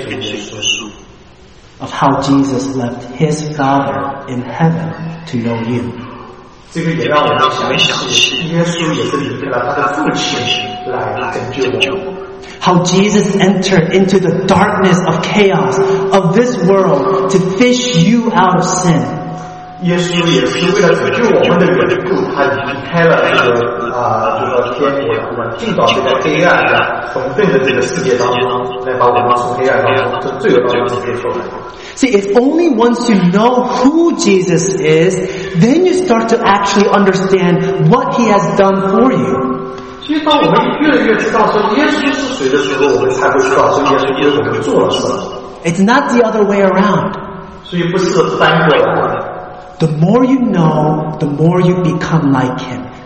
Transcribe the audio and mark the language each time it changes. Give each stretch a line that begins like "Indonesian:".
English: Of how Jesus left his Father in heaven to know you. How Jesus entered into the darkness of chaos of this world to fish you out of sin.
Chinese: 耶稣也是为了拯救我们的缘故，他离开了这个这个天国，我们进到这个黑暗的混沌的这个世界当中，来把我们从黑暗当中，这罪恶当中解脱出来。
English: See, if only once you know who Jesus is, then you start to actually understand what he has done for you.
Chinese: 其实当我们越来越知道说耶稣是谁的时候，我们才会知道说耶稣为我们做了什么。
English: It's not the other way around.
Chinese: 所以不是翻过来的。
English: The more you know, the more you become like him.